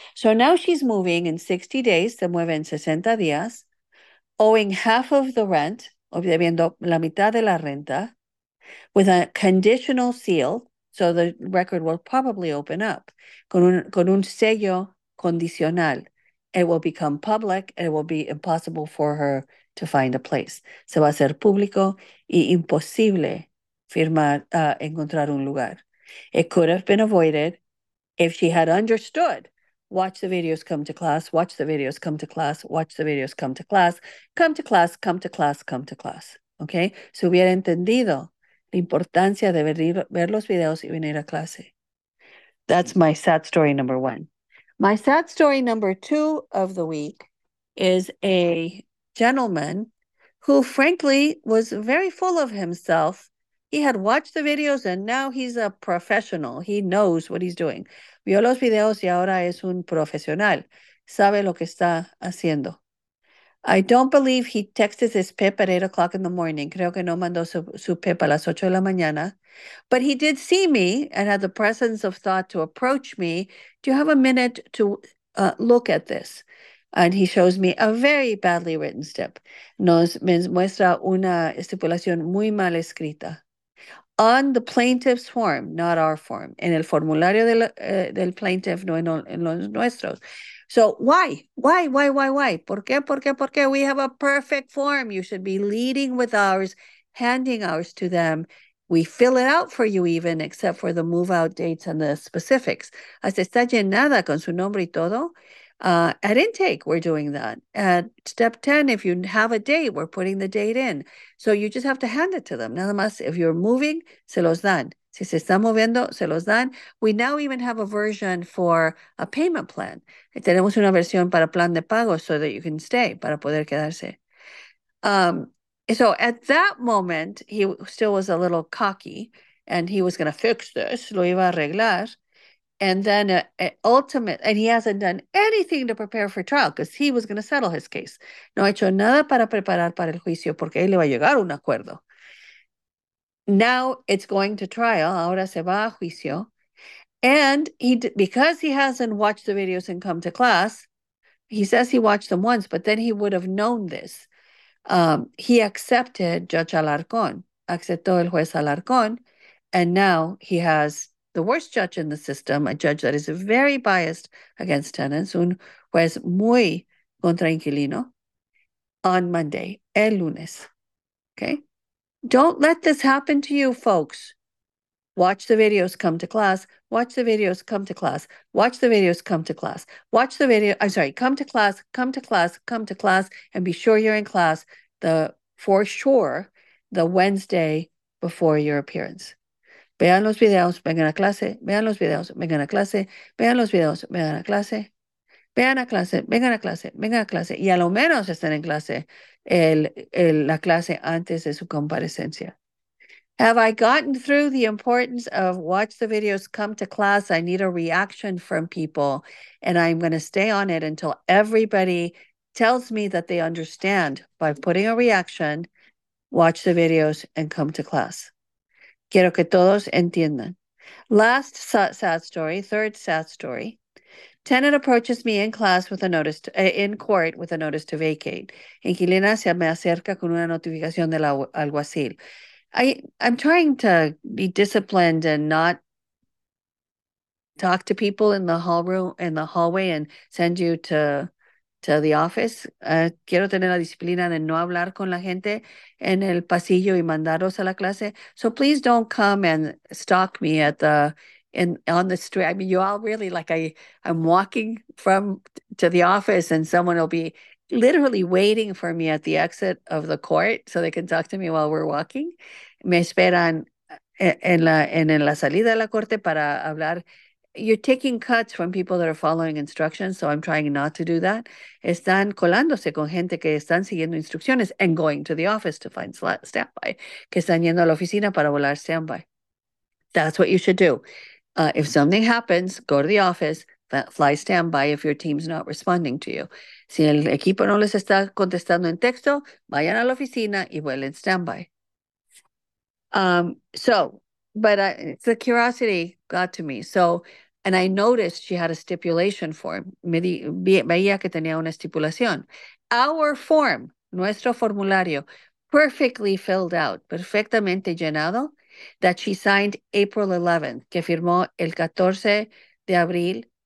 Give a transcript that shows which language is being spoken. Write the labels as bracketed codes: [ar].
[en] So now she's moving in 60 days, [es] se mueve en 60 días, [en] owing half of the rent, [es] o debiendo la mitad de la renta, [en] with a conditional seal, so the record will probably open up, [es] con un sello condicional. [en] It will become public and it will be impossible for her to find a place. [es] Se va a hacer público y imposible firmar, encontrar un lugar. [en] It could have been avoided if she had understood. Watch the videos come to class, watch the videos come to class, watch the videos come to class, come to class, come to class, come to class. Okay? [es] Si hubiera entendido la importancia de ver los videos y venir a clase. [en] That's my sad story number one. My sad story number two of the week is a gentleman who frankly was very full of himself. He had watched the videos and now he's a professional. He knows what he's doing. [es] Vio los videos y ahora es un profesional. Sabe lo que está haciendo. [en] I don't believe he texted his pip at 8 o'clock in the morning. [es] Creo que no mandó su pip a las 8 de la mañana. [en] But he did see me and had the presence of thought to approach me. Do you have a minute to look at this? And he shows me a very badly written step. [es] Nos muestra una estipulación muy mal escrita. [en] On the plaintiff's form, not our form. [es] En el formulario del plaintiff, no en los nuestros. [en] So why? [es] ¿Por qué? ¿Por qué? ¿Por qué? [en] We have a perfect form. You should be leading with ours, handing ours to them. We fill it out for you even, except for the move-out dates and the specifics. [es] Hasta está llenada con su nombre y todo. [en] At intake, we're doing that. At step 10, if you have a date, we're putting the date in. So you just have to hand it to them. [es] Nada más, [en] if you're moving, [es] se los dan. Si se está moviendo, se los dan. [en] We now even have a version for a payment plan. [es] Tenemos una versión para plan de pago [en] so that you can stay, [es] para poder quedarse. [en] So at that moment, he still was a little cocky and he was going to fix this, [es] lo iba a arreglar. [en] And then ultimate, and he hasn't done anything to prepare for trial because he was going to settle his case. [es] No ha hecho nada para preparar para el juicio porque él le va a llegar un acuerdo. [en] Now it's going to trial. [es] Ahora se va a juicio. [en] And because he hasn't watched the videos and come to class, he says he watched them once, but then he would have known this. He accepted Judge Alarcón, [es] aceptó el juez Alarcón, [en] and now he has the worst judge in the system, a judge that is very biased against tenants, [es] un juez muy contra inquilino, [en] on Monday, [es] el lunes. [en] Okay? Don't let this happen to you, folks. Watch the videos come to class. Watch the videos come to class. Watch the videos come to class. Watch the video. I'm sorry, come to class, come to class, come to class, and be sure you're in class the for sure the Wednesday before your appearance. [es] Vean los videos, vengan a clase. Vean los videos, vengan a clase. Vean los videos, vengan a clase. Vean a clase, vengan a clase, vengan a clase. Y a lo menos estén en clase la clase antes de su comparecencia. [en] Have I gotten through the importance of watch the videos, come to class? I need a reaction from people, and I'm going to stay on it until everybody tells me that they understand by putting a reaction, watch the videos, and come to class. [es] Quiero que todos entiendan. [en] Last sad story, third sad story. Tenant approaches me in class with a notice in court with a notice to vacate. [es] Inquilina se me acerca con una notificación del alguacil. [en] I'm trying to be disciplined and not talk to people in the hall room in the hallway and send you to the office. [es] Quiero tener la disciplina de no hablar con la gente en el pasillo y mandaros a la clase. [en] So please don't come and stalk me at the in on the street. I mean, you all really like I'm walking from to the office and someone will be literally waiting for me at the exit of the court so they can talk to me while we're walking. [es] Me esperan en la salida de la corte para hablar. [en] You're taking cuts from people that are following instructions, so I'm trying not to do that. [es] Están colándose con gente que están siguiendo instrucciones [en] and going to the office to find standby, [es] que están yendo a la oficina para volar standby. [en] That's what you should do. If something happens, go to the office. Fly standby if your team's not responding to you. [es] Si el equipo no les está contestando en texto, vayan a la oficina y vuelen standby. [en] The curiosity got to me. So, and I noticed she had a stipulation form. [es] Veía que tenía una estipulación. [en] Our form, [es] nuestro formulario, [en] perfectly filled out, [es] perfectamente llenado, [en] that she signed April 11th, [es] que firmó el 14 de abril.